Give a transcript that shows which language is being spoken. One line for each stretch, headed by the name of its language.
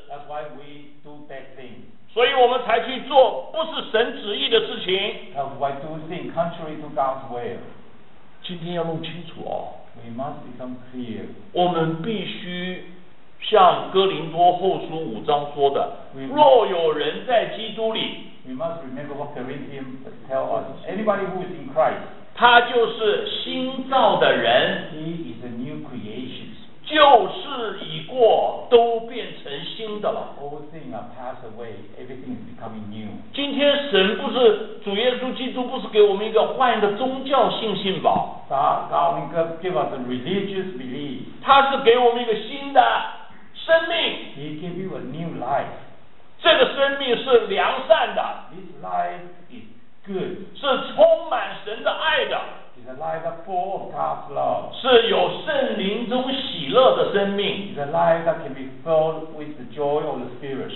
English: That's why we do bad things.
Chinese: 所以我们才去做不是神旨意的事情。
English: That's why we do things contrary to God's will.
Chinese: 今天要弄清楚哦。
English: We must become clear.
Chinese: 我们必须像哥林多后书五章说的，若有人在基督里，
English: We must remember what Corinthians tell us. Anybody who is in Christ.
Chinese: 他就是新造的人，
English: He is a new creation.
Chinese: 旧事已过，都变成新的了。
English: All things are passed away, everything is becoming new.
Chinese: 今天神不是主耶稣基督，不是给我们一个换的宗教信心吧？
English: God give us a religious belief.
Chinese: 他是给我们一个新的生命。
English: He give you a new life.
Chinese: 这个生命是良善的。
English: This life. Good.
Chinese: 是充满神的爱的，
English: It's a life that full of God's love.
Chinese: 是有圣灵中喜乐的生命，
English: It's a life that can be filled with the joy of the Spirit.